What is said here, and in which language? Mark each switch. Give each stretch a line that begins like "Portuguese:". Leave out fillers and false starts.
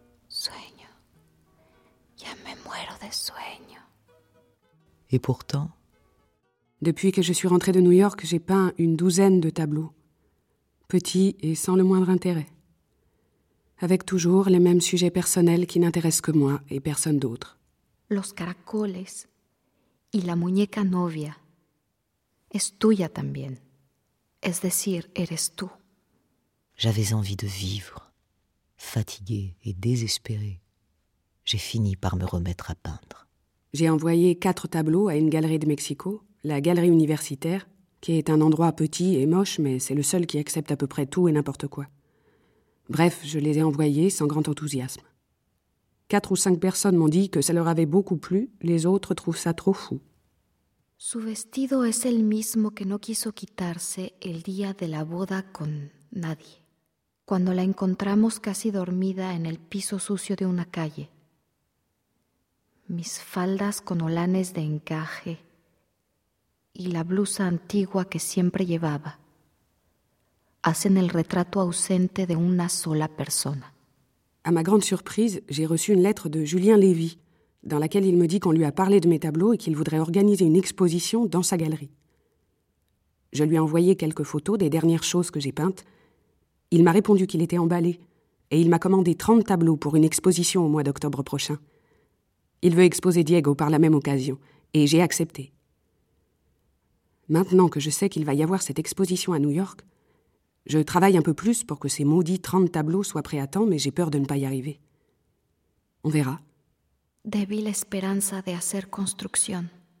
Spanish: Sueño. Ya me muero de sueño.
French: Et pourtant ? Depuis que je suis rentrée de New York, j'ai peint une douzaine de tableaux. Petits et sans le moindre intérêt. Avec toujours les mêmes sujets personnels qui n'intéressent que moi et personne d'autre.
Spanish: Los caracoles y la muñeca novia es tuya también. Es decir, eres tú.
French: J'avais envie de vivre, fatiguée et désespérée. J'ai fini par me remettre à peindre. J'ai envoyé 4 tableaux à une galerie de Mexico, la Galerie Universitaire, qui est un endroit petit et moche, mais c'est le seul qui accepte à peu près tout et n'importe quoi. Bref, je les ai envoyés sans grand enthousiasme. 4 ou 5 personnes m'ont dit que ça leur avait beaucoup plu, les autres trouvent ça trop fou.
Spanish: Su vestido es el mismo que no quiso quitarse el día de la boda con nadie. Cuando la encontramos casi dormida en el piso sucio de una calle. Mis faldas con olanes de encaje y la blusa antigua que siempre llevaba. Hacen el retrato ausente de una sola persona.
French: À ma grande surprise, j'ai reçu une lettre de Julien Lévy, dans laquelle il me dit qu'on lui a parlé de mes tableaux et qu'il voudrait organiser une exposition dans sa galerie. Je lui ai envoyé quelques photos des dernières choses que j'ai peintes. Il m'a répondu qu'il était emballé et il m'a commandé 30 tableaux pour une exposition au mois d'octobre prochain. Il veut exposer Diego par la même occasion et j'ai accepté. Maintenant que je sais qu'il va y avoir cette exposition à New York, je travaille un peu plus pour que ces maudits 30 tableaux soient prêts à temps, mais j'ai peur de ne pas y arriver. On verra.
Spanish: Débil esperanza de hacer construcción.